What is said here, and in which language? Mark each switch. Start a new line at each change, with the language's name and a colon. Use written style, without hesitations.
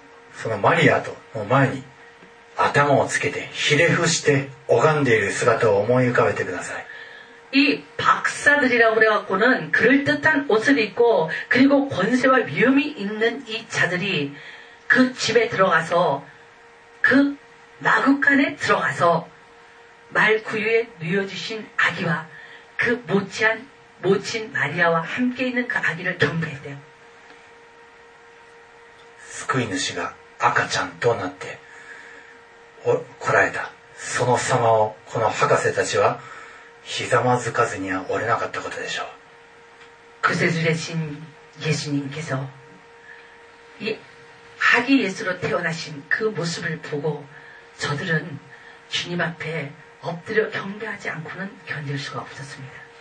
Japanese: いい年をした威厳のある壮年の男性たちが赤ちゃんとまたそのマリアとの前に 頭をつけてひれ伏して拝んでいる姿を思い浮かべてください。
Korean: 이 박사들이라고 그래갖고는 그럴듯한 옷을 입고 그리고 권세와 위엄이 있는 이 자들이 그 집에 들어가서 그 마구간에 들어가서 말구유에 누워주신 아기와 그 모친 마리아와 함께 있는 그 아기를 경배했대요.
Japanese: 救い主が 赤ちゃんとなって 来られたその様をこの博士たちはひざまずかずにはおれなかったことでしょう。
Korean: 구세주 되신 예수님께서 이 아기 예수로 태어나신 그 모습을 보고 저들은 주님 앞에 엎드려 경배하지 않고는 견딜 수가 없었습니다.